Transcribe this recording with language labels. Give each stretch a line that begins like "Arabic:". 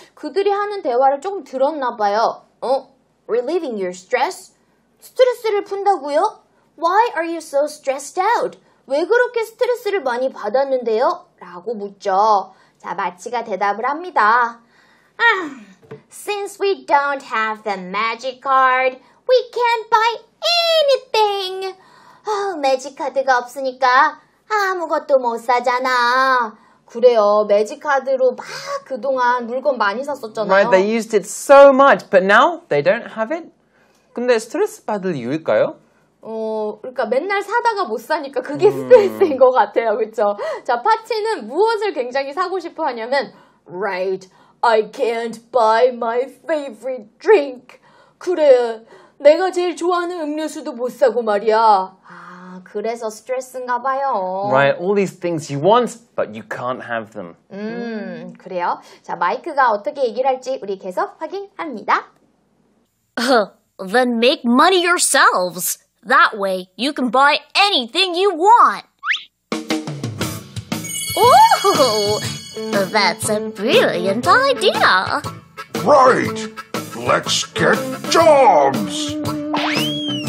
Korean: 그들이 하는 대화를 조금 들었나 봐요.
English: Relieving your stress?
Korean: 스트레스를 푼다고요?
English: Why are you so stressed out?
Korean: 왜 그렇게 스트레스를 많이 받았는데요? 라고 묻죠. 자, 마치가 대답을 합니다.
English: Since we don't have the magic card, we can't buy anything.
Korean: 매직 카드가 없으니까 아무것도 못 사잖아. 그래요. 매직카드로 막 그동안 물건 많이 샀었잖아요.
English: Right, they used it so much, but now they don't have it.
Korean: 근데 스트레스 받을 이유일까요? 그러니까 맨날 사다가 못 사니까 그게 스트레스인 것 같아요, 그렇죠? 자, 파티는 무엇을 굉장히 사고 싶어 하냐면
English: Right, I can't buy my favorite drink.
Korean: 그래, 내가 제일 좋아하는 음료수도 못 사고 말이야. 그래서 스트레스인가 봐요.
English: Right, all these things you want, but you can't have them.
Korean: 그래요? 자, 마이크가 어떻게 얘기를 할지 우리 계속 확인합니다.
English: Then make money yourselves. That way, you can buy anything you want. Oh, that's a brilliant idea. Right, let's get jobs.